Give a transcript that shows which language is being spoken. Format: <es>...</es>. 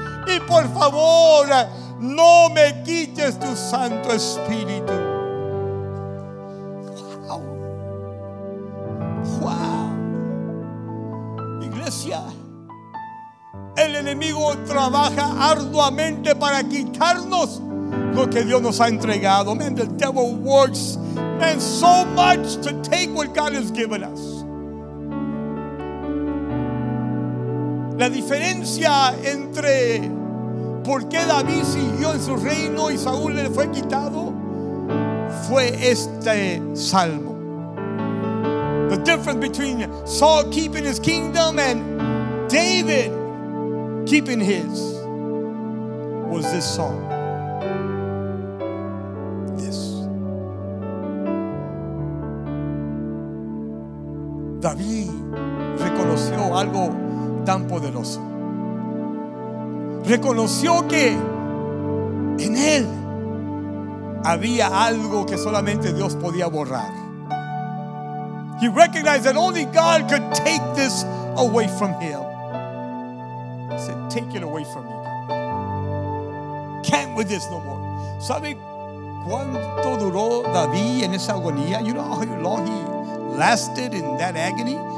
<es>Y por favor, no me quites tu Santo Espíritu. Wow. Wow. Iglesia, el enemigo trabaja arduamente para quitarnos lo que Dios nos ha entregado.</es> <en>Man, the devil works, man, so much to take what God has given us.</en> <es>La diferencia entre por qué David siguió en su reino y Saúl le fue quitado fue este salmo.</es> <en>The difference between Saul keeping his kingdom and David keeping his was this song. This.</en> <es>David reconoció algo tan poderoso. Reconoció que en él había algo que solamente Dios podía borrar.</es> <en>He recognized that only God could take this away from him. He said, take it away from me. Can't with this no more.</en> <es>¿Sabe cuánto duró David en esa agonía?</es> <en>You know how long he lasted in that agony?</en>